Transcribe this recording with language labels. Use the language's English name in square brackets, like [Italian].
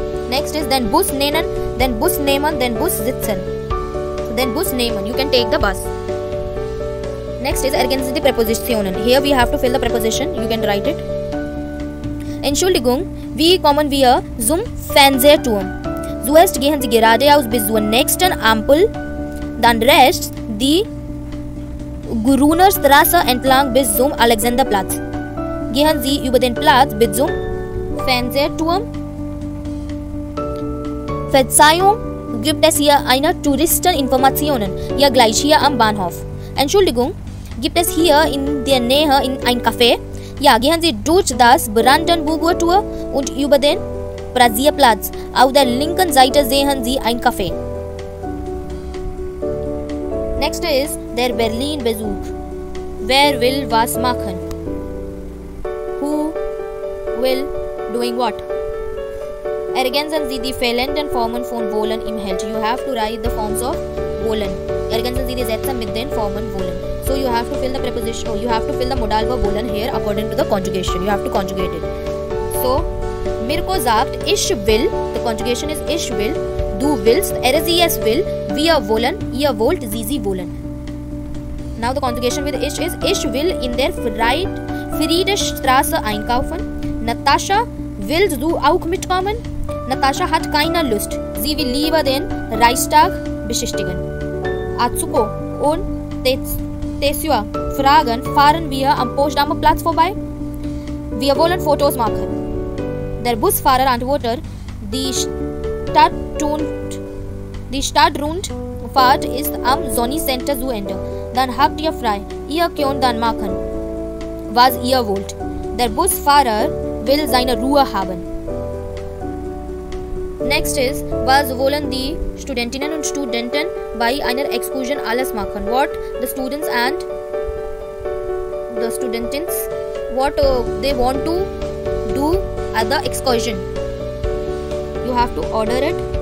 [English] Next is then bus nehmen, you can take the bus. Next is [German] ergänzen Sie die Präpositionen. [English] Here we have to fill the preposition, you can write it. [German] Entschuldigung, wie kommen wir zum Fernsehturm? Zuerst gehen Sie geradeaus bis zur nächsten Ampel, dann rechts die Grüner Straße entlang bis zum Alexanderplatz. Gehen Sie über den Platz bis zum Fernsehturm. Verzeihung, gibt es hier eine Touristeninformationen? Ja, gleich hier am Bahnhof. Entschuldigung, gibt es hier in der Nähe in ein Café. Ja, gehen Sie durch das Brandenburger Tor und über den Brasierplatz. Auf der linken Seite sehen Sie ein Café. [English] Next is [German] der Berlin-Besuch. Wer will was machen? [English] Who will doing what? [German] Ergänzen Sie die fehlenden Formen von wollen im Held. [English] You have to write the forms of wollen. [German] Ergänzen Sie die Sätze mit den Formen wollen. [English] So you have to fill the preposition. You have to fill the modal verb wollen here according to the conjugation. You have to conjugate it. So [German] Mirko sagt, ich will. [English] The conjugation is [German] ich will. Du willst. RZS will. Wir wollen. Ihr wollt. Sie wollen. [English] Now the conjugation with ich is [German] ich will in der Friedrichstraße einkaufen. Natascha, willst du auch mitkommen? Natascha hat keine Lust. Sie will lieber den Reichstag besichtigen. Atsuko und Tetsuya fragen, fahren wir am Potsdamer Platz vorbei? Wir wollen Fotos machen. Der Busfahrer antwortet, die Stadtrundfahrt ist am Sony Center zu Ende. Dann habt ihr frei. Ihr könnt dann machen, was ihr wollt. Der Busfahrer will seine Ruhe haben. [English] Next is, [German] was wollen die Studentinnen und Studenten bei einer Exkursion alles machen? [English] What the students and the Studentins, what they want to do at the excursion? You have to order it.